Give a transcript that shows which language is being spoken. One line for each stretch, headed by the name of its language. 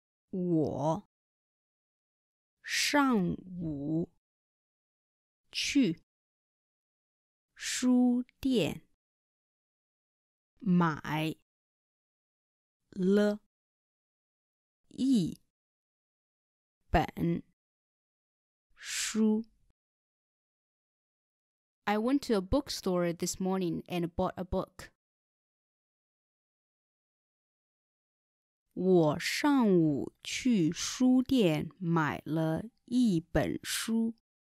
Chinese: 我上午去书店买了一本书。
English: I went to a bookstore this morning and bought a book.
Chinese: 我上午去书店买了一本书。